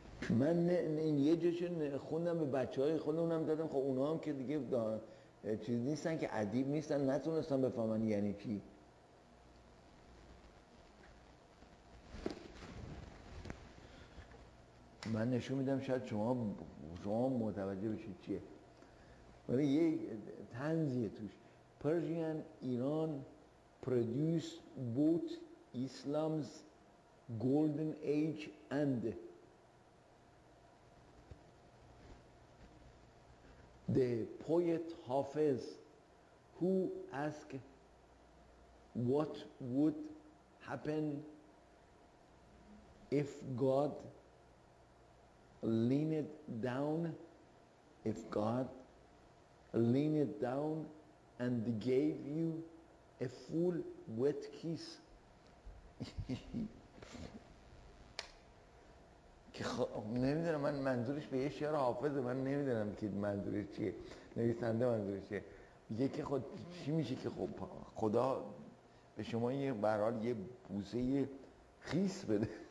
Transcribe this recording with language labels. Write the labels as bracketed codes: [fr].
[fa] من این یه جاشو خوندم به بچه‌های خودمونم دادم، خب اونا هم که دیگه چیز نیستن که ادیب نیستن، نتونستن بفهمن یعنی چی. من نشون میدم شاید شما متوجه بشید چیه. ولی یه طنزیه توش، [en] Persian Iran produced both Islam's golden age and the poet Hafiz who asked what would happen if God leaned down, if God leaned down and gave you a full wet kiss. [fa] نمیدونم من منظورش به یه شعر حافظه، من نمیدونم که منظورش چیه، نویسنده منظورش چیه. میگه که خود چی میشه که خب خدا به شما یه برحال یه بوسه یه خیس بده.